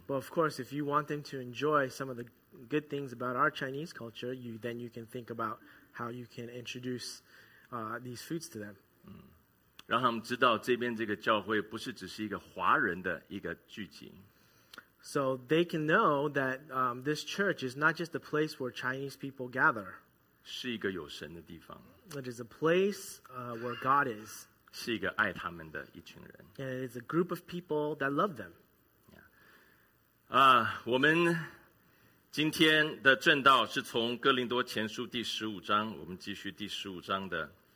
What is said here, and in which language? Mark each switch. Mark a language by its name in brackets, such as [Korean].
[English] But of course, if you want them to enjoy some of the good things about our Chinese culture, then you can think about how you can introduce these foods to them. [Chinese] 让他们知道这边这个教会不是只是一个华人的一个聚集。 [English] So they can know that this church is not just a place where Chinese people gather. [Chinese] 是一个有神的地方。 [English] It is a place where God is. [Chinese] 是一个爱他们的一群人。 [English] And it is a group of people that love them. Yeah. [Chinese] 我们今天的正道是从哥林多前书第15章，我们继续第15章的